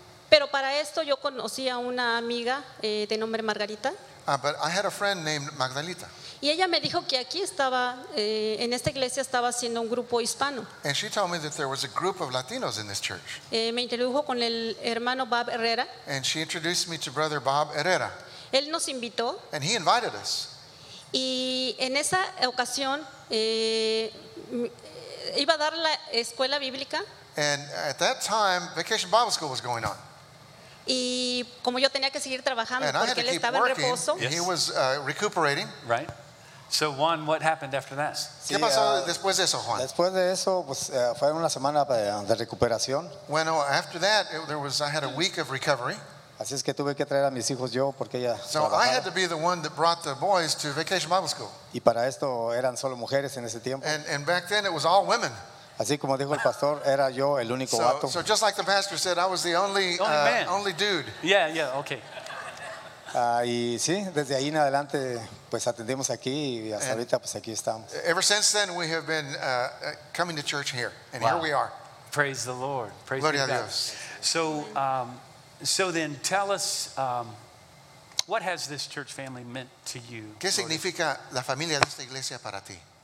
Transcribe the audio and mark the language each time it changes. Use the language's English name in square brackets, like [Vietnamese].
[Spanish] Pero para esto yo conocí a una amiga de nombre Margarita. [English] But I had a friend named Magdalita. [Spanish] Y ella me dijo que aquí estaba en esta iglesia estaba haciendo un grupo hispano. [English] And she told me that there was a group of Latinos in this church. [Spanish] Me introdujo con el hermano Bob Herrera. [English] And she introduced me to brother Bob Herrera. [Spanish] Él nos invitó. [English] And he invited us. [Spanish] Y en esa ocasión iba a dar la escuela bíblica. [English] And at that time, Vacation Bible School was going on. [Spanish] Y como yo tenía que seguir trabajando [English] and [Spanish] porque él estaba [English] working. [Spanish] En reposo. [English] Yes. He was recuperating. Right. So Juan, what happened after that? [Spanish] Sí, ¿qué pasó después de eso, Juan? Después de eso, pues fue una semana de recuperación. [English] Bueno, after that, I had a week of recovery. [Spanish] Así es que tuve que traer a mis hijos yo porque ella [English] so [Spanish] trabajaba. [English] I had to be the one that brought the boys to Vacation Bible School. [Spanish] Y para esto eran solo mujeres en ese tiempo. [English] And back then it was all women. [Spanish] Así como dijo el pastor, era yo el único vato. [English] So just like the pastor said, I was the only dude. Yeah, yeah, okay. [Spanish] Y sí, desde ahí en adelante, pues atendimos aquí y hasta ahorita, pues aquí estamos. [English] Ever since then, we have been coming to church here, and wow. Here we are. Praise the Lord. [Spanish] Gloria a Dios. [English] So then, tell us What has this church family meant to you? [Spanish] ¿Qué significa la familia de esta iglesia para ti?